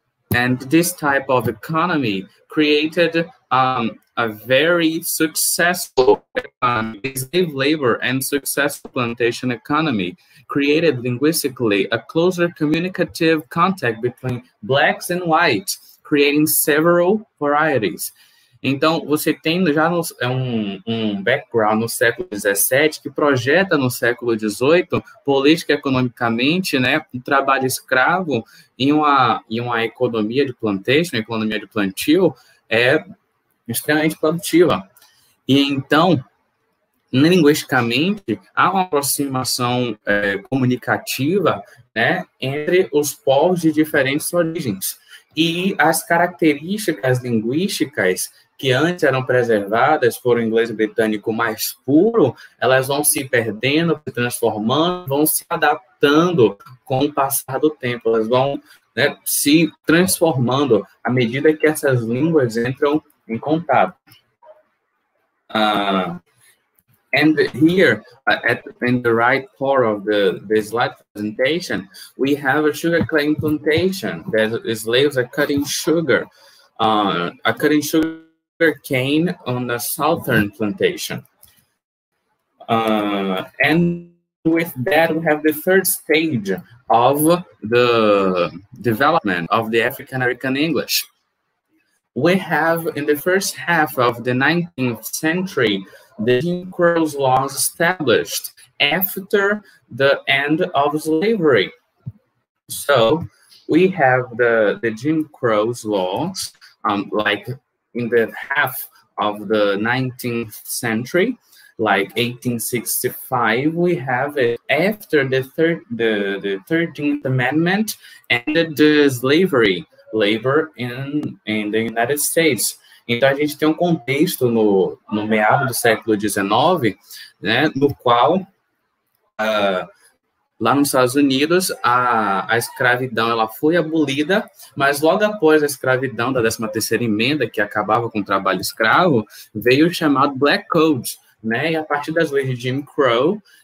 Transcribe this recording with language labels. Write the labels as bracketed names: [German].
[English] And this type of economy created a very successful slave labor and successful plantation economy, created linguistically a closer communicative contact between blacks and whites, creating several varieties. [Portuguese] Então, você tem já um background no século XVII que projeta no século XVIII, política e economicamente, né, um trabalho escravo em uma economia de plantation, economia de plantio, é extremamente produtiva. E então, linguisticamente, há uma aproximação comunicativa, né, entre os povos de diferentes origens. E as características linguísticas que antes eram preservadas por um inglês britânico mais puro, elas vão se perdendo, se transformando, vão se adaptando com o passar do tempo, elas vão, né, se transformando à medida que essas línguas entram em contato. [English] And here in the right part of the slide presentation, we have a sugarcane plantation that slaves are cutting sugar, cutting sugar cane on the southern plantation. And with that, we have the third stage of the development of the African American English. We have in the first half of the 19th century, the Jim Crow laws established after the end of slavery. So we have the Jim Crow laws, like in the half of the 19th century, like 1865, we have it after the 13th Amendment ended the slavery labor in the United States. [Portuguese] Então, a gente tem um contexto no meado do século XIX, né, no qual, lá nos Estados Unidos, a escravidão ela foi abolida, mas logo após a escravidão da 13ª Emenda, que acabava com o trabalho escravo, veio o chamado Black Code, né, e a partir das leis de Jim Crow,